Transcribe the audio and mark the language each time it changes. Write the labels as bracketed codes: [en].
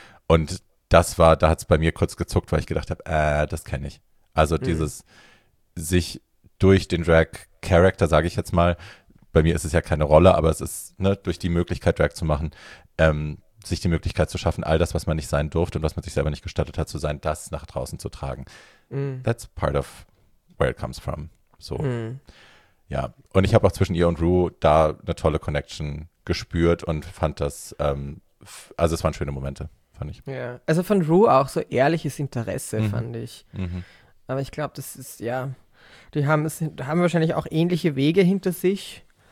[de] Und das war, da hat es bei mir kurz gezuckt, weil ich gedacht habe, das kenne ich. Also dieses sich durch den Drag-Character, sage ich jetzt mal, bei mir ist es ja keine Rolle, aber es ist ne, durch die Möglichkeit, Drag zu machen, sich die Möglichkeit zu schaffen, all das, was man nicht sein durfte und was man sich selber nicht gestattet hat, zu sein, das nach draußen zu tragen. [en] That's part of where it comes from. [de] So. Ja, und ich habe auch zwischen ihr und Rue da eine tolle Connection gespürt und fand das, also es waren schöne Momente, fand ich. Ja, also von Rue auch so ehrliches Interesse, fand ich. Aber ich glaube, das ist, ja, die haben wahrscheinlich auch ähnliche Wege hinter sich.